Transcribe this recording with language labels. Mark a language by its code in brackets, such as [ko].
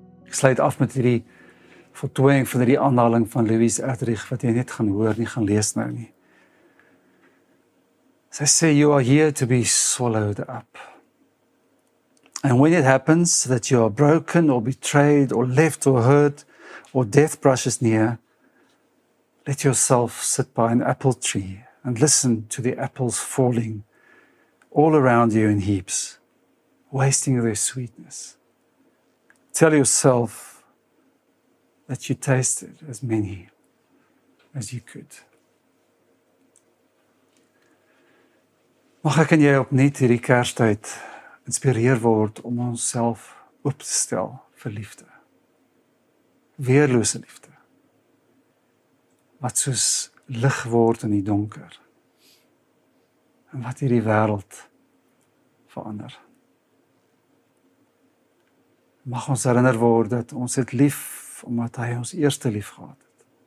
[af] Sluit af met die voltooiing van die aanhaling van Louise Erdrich, wat jy net gaan hoor, nie gaan lees nou nie. Sy sê, [en] you are here to be swallowed up. And when it happens that you are broken or betrayed or left or hurt or death brushes near, let yourself sit by an apple tree and listen to the apples falling all around you in heaps, wasting their sweetness. Tell yourself that you tasted as many as you could. [af] Mag ek en jy opnuut hierdie kerstyd geïnspireerd word om onszelf op te stellen voor liefde. Weerloze liefde. Wat soos lig word in die donker. En wat hierdie wereld verander. Mag ons herinner word dat ons het lief omdat hy ons eerste lief gehad het.